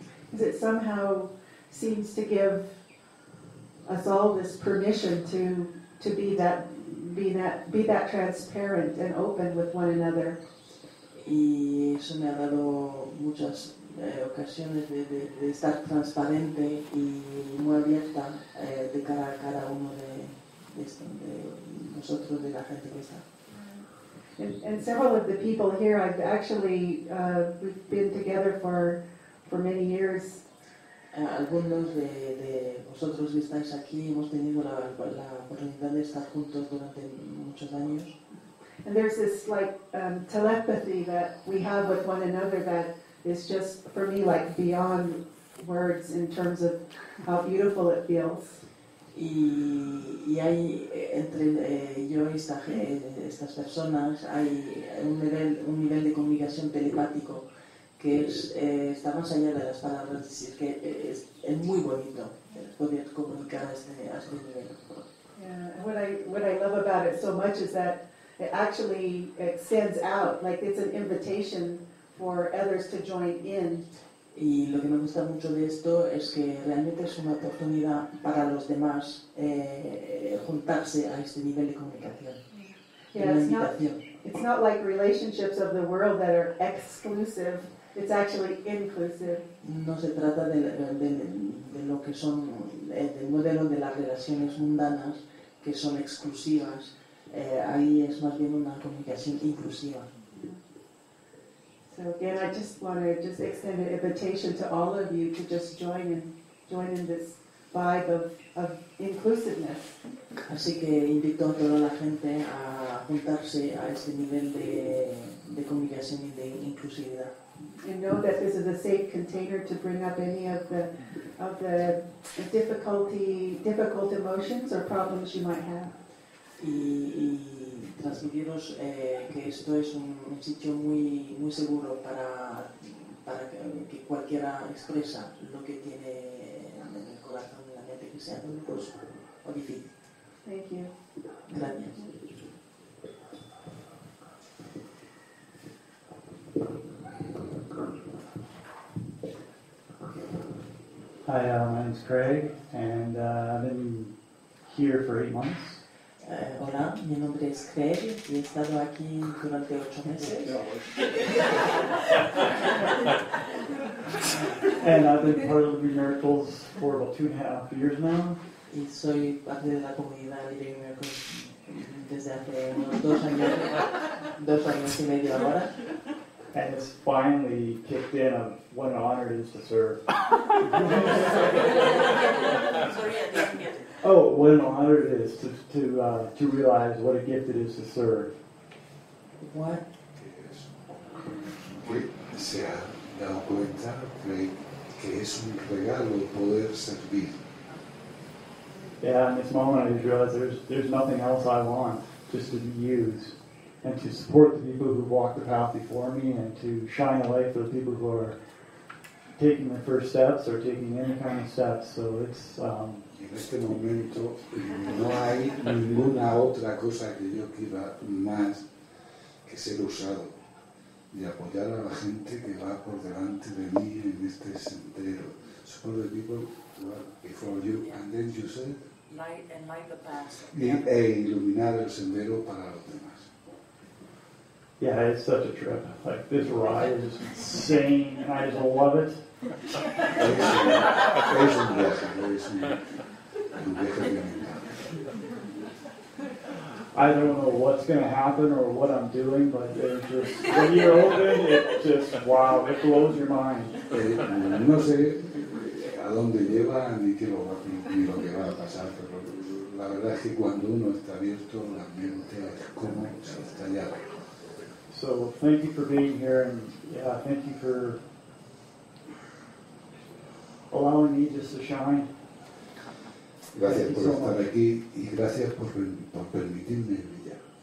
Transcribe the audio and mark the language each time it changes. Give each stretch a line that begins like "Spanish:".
English: Because it somehow seems to give us all this permission to be that transparent and open with one another.
Spanish: Y eso me ha dado muchas ocasiones de estar transparente y muy abierta de cara a cada uno de nosotros, de la gente que está.
English: And several of the people here, I've actually been together for for many years.
Spanish: Algunos de vosotros que estáis aquí hemos tenido la oportunidad de estar juntos durante muchos años.
English: And there's this like telepathy that we have with one another that is just for me like beyond words in terms of how beautiful it feels.
Spanish: Y hay entre yo y estas personas hay un nivel de comunicación telepático que está más allá de las palabras, es decir, que es muy bonito poder comunicar a este nivel.
English: Yeah, what I love about it so much is that it actually extends out, like it's an invitation for others to join in.
Spanish: Y lo que me gusta mucho de esto es que realmente es una oportunidad para los demás juntarse a este nivel de comunicación.
English: Yeah, it's not like relationships of the world that are exclusive. It's actually inclusive.
Spanish: No se trata de lo que son del modelo de las relaciones mundanas que son exclusivas. Ahí es más bien una comunicación inclusiva.
English: So again, I just want to just extend an invitation to all of you to just join in this vibe of inclusiveness.
Spanish: Así que invito a toda la gente a juntarse a este nivel de comunicación y de inclusividad.
English: And know that this is a safe container to bring up any of the difficult emotions or problems you might have.
Spanish: Y transmitiros que esto es un sitio muy muy seguro para que cualquiera expresa lo que tiene en el corazón, en la mente, que sea doloroso o difícil.
English: Thank you.
Spanish: Gracias.
English: Hi, my name is Craig, and I've been here for 8 months.
Spanish: Hola, mi nombre es Craig, y he estado aquí durante 8 meses.
English: And I've been part of the miracles for about 2.5 years now.
Spanish: Y soy parte de la comunidad de miracles desde hace unos 2 años y medio ahora.
English: And it's finally kicked in of what an honor it is to serve. Oh, what an honor it is to realize what a gift it is to serve. What? Yes.
Spanish: Se ha dado cuenta que es un regalo poder servir.
English: Yeah, in this moment I just realized there's nothing else I want, just to be used. And to support the people who've walked the path before me, and to shine a light for the people who are taking their first steps or taking any kind of steps. So it's.
Spanish: En este momento no hay ninguna otra cosa que yo quiera más que ser usado y apoyar a la gente que va por delante de mí en este sendero.
English: Support the people who are before you, and then you said. Light the path.
Spanish: E iluminar el sendero para los demás.
English: Yeah, it's such a trip. Like, this ride is insane, and I just love it. I don't know what's going to happen or what I'm doing, but it's just, when you're open, it just, wow, it blows your mind.
Spanish: No sé a dónde lleva ni lo que va a pasar, pero la verdad es que cuando uno está abierto, la mente es como se está llave.
English: So thank you for being here, and yeah, thank you for allowing me just to shine.
Spanish: Gracias por estar aquí y gracias por permitirme brillar.